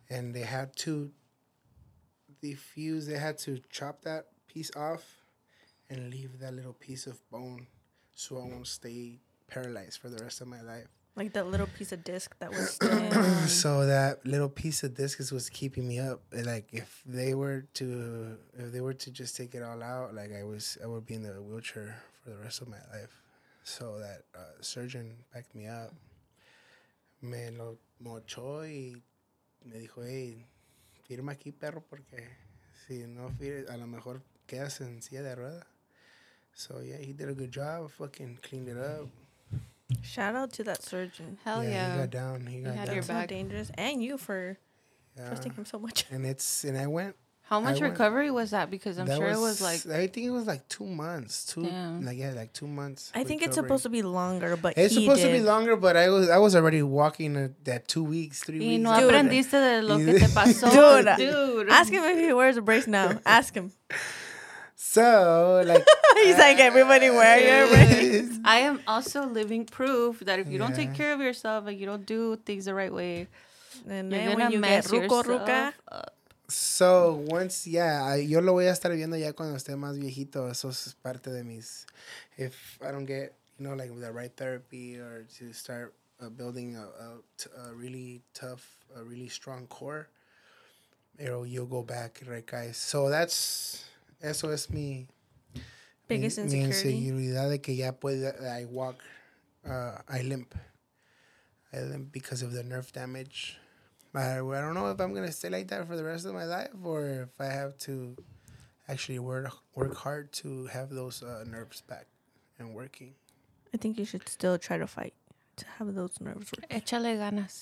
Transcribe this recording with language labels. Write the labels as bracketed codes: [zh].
[en] And they had to defuse, they had to chop that piece off and leave that little piece of bone so I won't stay paralyzed for the rest of my life. Like that little piece of disc that was so that little piece of disc is what's keeping me up. Like if they were to just take it all out, like I would be in the wheelchair for the rest of my life. So that surgeon backed me up. [es] Me lo mochó y me dijo, hey, firma aquí perro porque si no firma, a lo mejor quedas en silla de rueda. [en] So yeah, he did a good job. Fucking cleaned it up. Shout out to that surgeon. Hell yeah. He got down. He got down. Your back. So dangerous. And you for trusting him so much. And I went. How much recovery was that? Because I'm sure it was like... I think it was like 2 months. Like 2 months. I think it's supposed to be longer, but it's supposed to be longer, but I was already walking that 2 weeks, 3 weeks. [es] No aprendiste de lo que te pasó. Dude. [en] Ask him if he wears a brace now. Ask him. So, like... He's like, everybody wear your brace. I am also living proof that if you don't take care of yourself, like you don't do things the right way, then you're going to mess ruca. [es] So, once, yo lo voy a estar viendo ya cuando esté más viejito. Eso es parte de mis, [en] if I don't get, you know, like, the right therapy or to start building a really tough, a really strong core, you'll go back, right, guys? [es] So, that's, eso es mi, [en] biggest insecurity. [es] Mi inseguridad de que ya puede, [en] I walk, I limp. I limp because of the nerve damage. I don't know if I'm going to stay like that for the rest of my life or if I have to actually work hard to have those nerves back and working. I think you should still try to fight to have those nerves working. [es] Échale ganas.